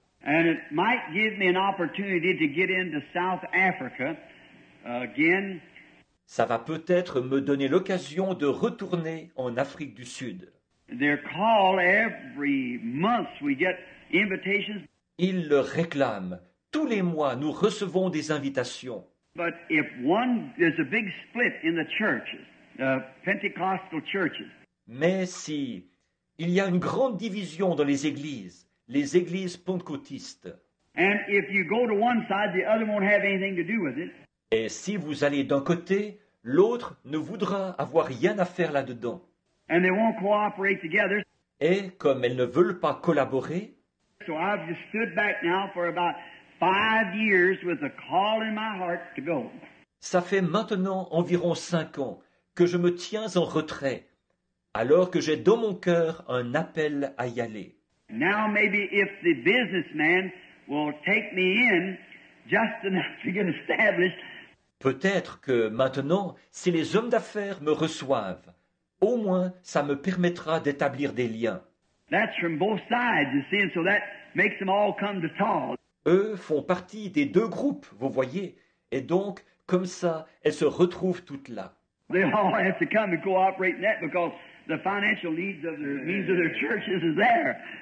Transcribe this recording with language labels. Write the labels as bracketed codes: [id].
[en] And it might give me an opportunity to get into South Africa again. [fr] Ça va peut-être me donner l'occasion de retourner en Afrique du Sud. [en] They call every month we get invitations. [fr] Ils le réclament. Tous les mois, nous recevons des invitations. [en] But if one there's a big split in the churches, the Pentecostal churches. [fr] Mais si il y a une grande division dans les églises pentecôtistes. [en] And if you go to one side, the other won't have anything to do with it. [fr] Et si vous allez d'un côté, l'autre ne voudra avoir rien à faire là-dedans. [en] And they won't cooperate together. [fr] Et comme elles ne veulent pas collaborer. [en] So I've just stood back now for about 5 years with a call in my heart to go. [fr] Ça fait maintenant environ 5 ans que je me tiens en retrait, alors que j'ai dans mon cœur un appel à y aller. [en] Now maybe if the businessman will take me in just enough to get established. [fr] Peut-être que maintenant, si les hommes d'affaires me reçoivent, au moins ça me permettra d'établir des liens. [en] That's from both sides, you see, and so that makes them all come to talk. [fr] Eux font partie des deux groupes, vous voyez, et donc, comme ça, elles se retrouvent toutes là. [en] They all have to come and cooperate in that because the financial needs of the means of their churches is there.